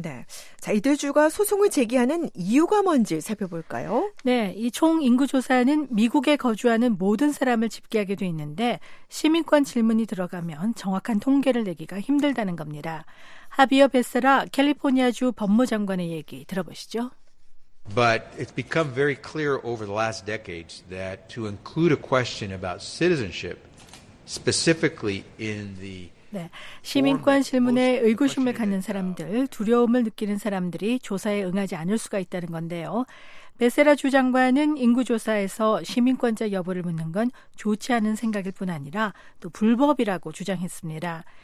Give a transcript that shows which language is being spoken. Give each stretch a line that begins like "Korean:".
Korean: 네, 자 이들 주가 소송을 제기하는 이유가 뭔지 살펴볼까요? 네, 이 총 인구 조사는 미국에 거주하는 모든 사람을 집계하게 돼 있는데 시민권 질문이 들어가면 정확한 통계를 내기가 힘들다는 겁니다. 하비어 베세라 캘리포니아 주 법무장관의 얘기 들어보시죠.
English: But it's become very clear over the last decades that to include a question about citizenship. Specifically in the
Korean: 네, 시민권 질문에 의구심을 갖는 사람들, 두려움을 느끼는 사람들이 조사에 응하지 않을 수가 있다는 건데요. 베세라 주 장관은 인구조사에서 시민권자 여부를 묻는 건 좋지 않은 생각일 뿐 아니라 또 불법이라고 주장했습니다.